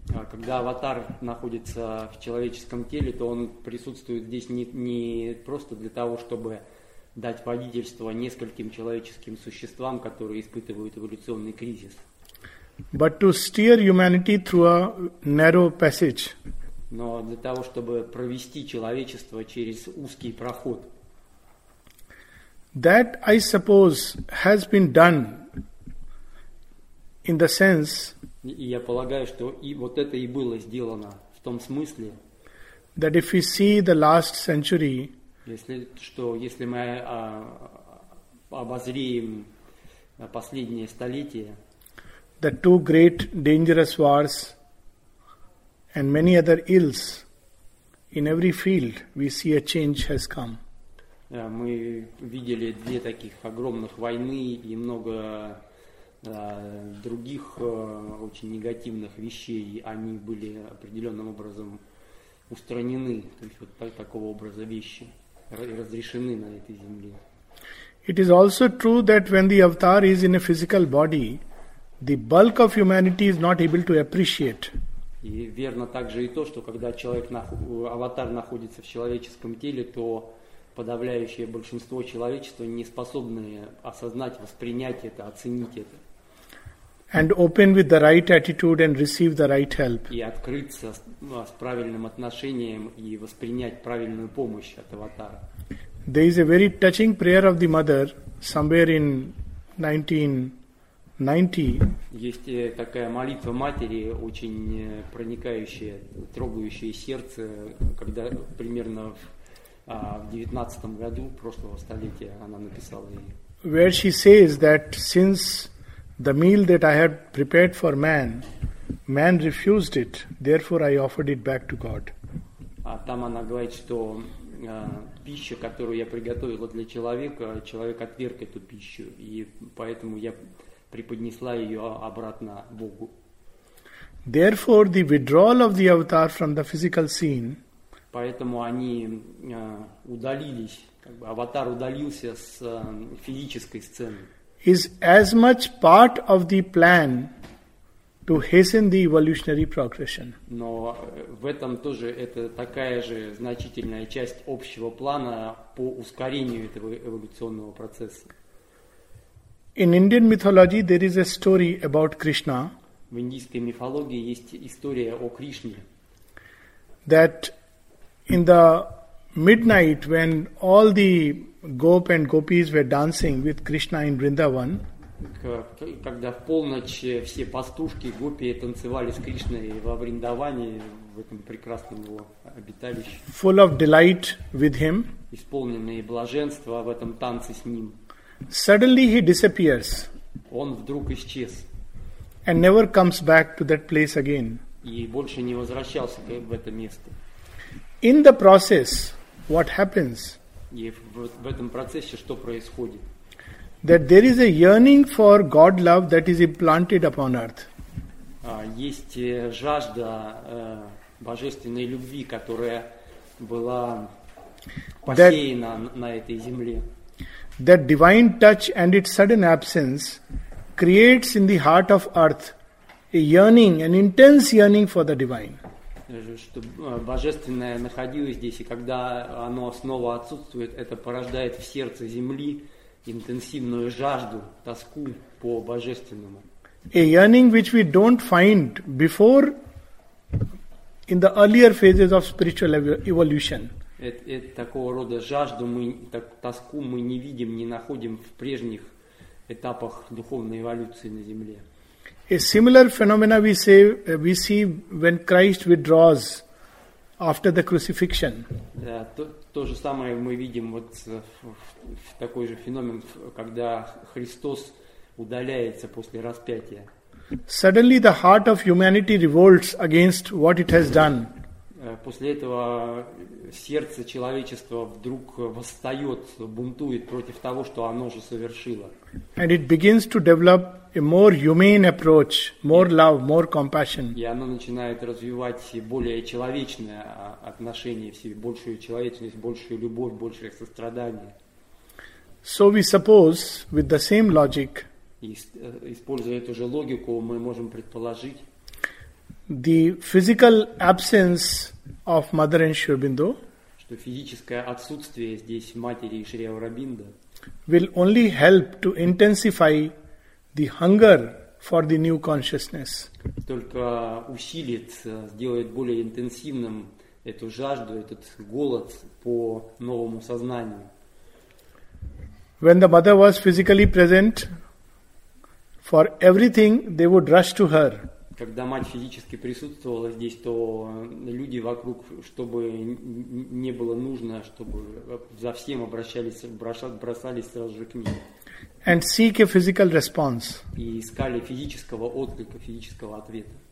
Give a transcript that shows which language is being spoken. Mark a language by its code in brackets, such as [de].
[ru] Когда аватар находится в человеческом теле, то он присутствует здесь не просто для того, чтобы дать водительство нескольким человеческим существам, которые испытывают эволюционный кризис. [en] But to steer humanity through a narrow passage. [ru] Но для того, чтобы провести человечество через узкий проход. [en] That, I suppose, has been done in the sense. [ru] И я полагаю, что и вот это и было сделано в том смысле. [en] That if we see the last century. [ru] Если мы обозреем последнее столетие, [en] the two great dangerous wars and many other ills in every field, we see a change has come. [ru] Мы видели две таких огромных войны и много других очень негативных вещей. Они были определенным образом устранены, то есть вот такого образа вещи. Разрешены на этой земле. [en] It is also true that when the avatar is in a physical body, the bulk of humanity is not able to appreciate. [ru] И верно также и то, что когда человек аватар находится в человеческом теле, то подавляющее большинство человечества не способны осознать, воспринять это, оценить это. [en] And open with the right attitude and receive the right help. [ru] И открыться с правильным отношением и воспринять правильную помощь от аватара. [en] There is a very touching prayer of the mother somewhere in 1990. [ru] Есть такая молитва матери, очень проникающая, трогающая сердце, когда примерно в 19 году прошлого столетия она написала ее. [en] Where she says that since the meal that I had prepared for man, man refused it, therefore I offered it back to God. [ru] А там она говорит, что пища, которую я приготовила для человека, человек отверг эту пищу, и поэтому я преподнесла ее обратно Богу. [en] Therefore, the withdrawal of the avatar from the physical scene. [ru] Поэтому они удалились, как бы аватар удалился с физической сцены. [en] Is as much part of the plan to hasten the evolutionary progression. [ru] Но в этом тоже это такая же значительная часть общего плана по ускорению этого эволюционного процесса. [en] In Indian mythology, there is a story about Krishna. [ru] В индийской мифологии есть история о Кришне. [en] That in the midnight, when all the Gop and Gopis were dancing with Krishna in Vrindavan. [ru] Когда в полночь все пастушки, гопи танцевали с Кришной во Вриндаване, в этом прекрасном его обиталище. [en] Full of delight with him. [ru] Исполненные блаженства в этом танце с ним. [en] Suddenly he disappears. [ru] Он вдруг исчез. [en] And never comes back to that place again. [ru] И больше не возвращался в это место. [en] In the process, what happens? [ru] И в этом процессе что происходит? [en] That there is a yearning for God love that is implanted upon earth. [ru] Есть жажда божественной любви, которая была посеяна на этой земле. [en] That divine touch and its sudden absence creates in the heart of earth a yearning, an intense yearning for the divine. [ru] Что божественное находилось здесь, и когда оно снова отсутствует, это порождает в сердце земли интенсивную жажду, тоску по божественному. [en] A yearning which we don't find before in the earlier phases of spiritual evolution. [ru] Это такого рода жажду, тоску мы не видим, не находим в прежних этапах духовной эволюции на земле. [en] A similar phenomena we see when Christ withdraws after the crucifixion. [ru] То же самое мы видим вот в такой же феномен, когда Христос удаляется после распятия. [en] Suddenly the heart of humanity revolts against what it has done. [ru] После этого сердце человечества вдруг восстает, бунтует против того, что оно же совершило. [en] And it begins to develop a more humane approach, more love, more compassion. [ru] И оно начинает развивать более человечное отношение в себе, большую человечность, большую любовь, большее сострадание. [en] So we suppose, with the same logic, [ru] используя эту же логику, мы можем предположить, [en] the physical absence of Mother and Shri Aurobindo, [ru] что физическое отсутствие здесь матери и Шри Аурабинда, [en] will only help to intensify the hunger for the new consciousness. [ru] Только усилит, сделает более интенсивным эту жажду, этот голод по новому сознанию. [en] When the mother was physically present, for everything they would rush to her. [ru] Когда мать физически присутствовала здесь, то люди вокруг, чтобы не было нужно, чтобы за всем бросались сразу же к ней. [en] And seek a physical response. [ru] И искали физического отклика, физического ответа.